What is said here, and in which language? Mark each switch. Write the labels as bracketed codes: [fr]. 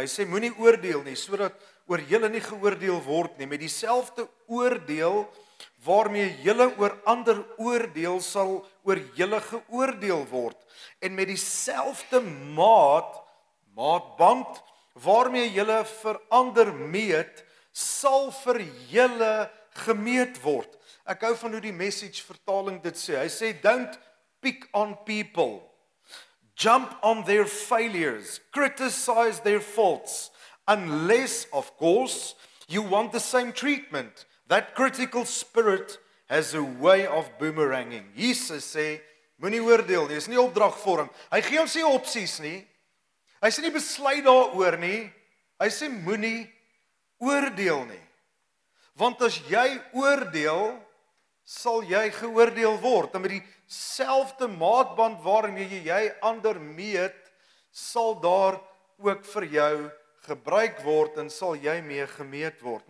[af] Hy sê moenie oordeel nie sodat oor julle nie geoordeel word nie met dieselfde oordeel waarmee julle oor ander oordeel sal oor julle geoordeel word en met dieselfde maatband waarmee julle vir ander meet sal vir julle gemeet word. Ek hou van hoe die Message vertaling dit sê. Hy sê [en] don't pick on people. Jump on their failures, criticize their faults, unless, of course, you want the same treatment. That critical spirit has a way of boomeranging. [af] Jesus sê, moenie oordeel nie, is nie opdrag vir hom. Hy gee ons nie opsies nie, hy sê nie besluit daaroor nie, hy sê moenie oordeel nie. Want as jy oordeel, sal jy geoordeel word, en met die selfde maatband waarmee jy ander meet, sal daar ook vir jou gebruik word en sal jy mee gemeet word.